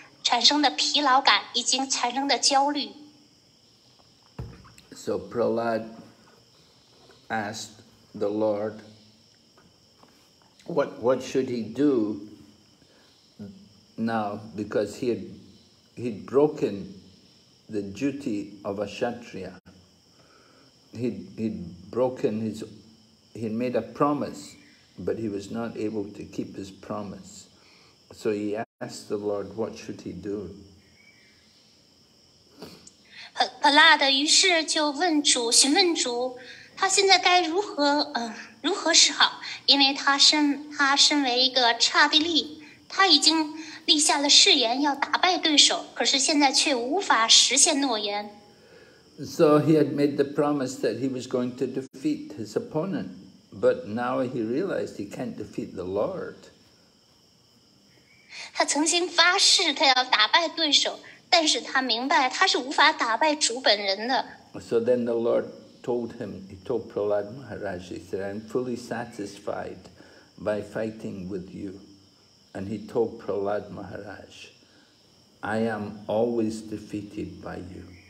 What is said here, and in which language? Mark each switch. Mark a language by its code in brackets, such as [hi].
[zh] 产生的疲劳感，已经产生的焦虑。 [en] So Prahlad asked the Lord, what should he do now? Because he'd broken the duty of a kshatriya. He'd made a promise, but he was not able to keep his promise. So he asked the Lord, what should he do? [zh] Prahlad 于是就问主，询问主，他现在该如何是好？因为他身为一个刹帝利，他已经立下了誓言要打败对手，可是现在却无法实现诺言。 [en] So he had made the promise that he was going to defeat his opponent, but now he realized he can't defeat the Lord. [zh] 他曾经发誓他要打败对手，但是他明白他是无法打败主本人的。 [en] So then the Lord told him, he told Prahlad Maharaj, he said, I'm fully satisfied by fighting with you. And he told Prahlad Maharaj, I am always defeated by you.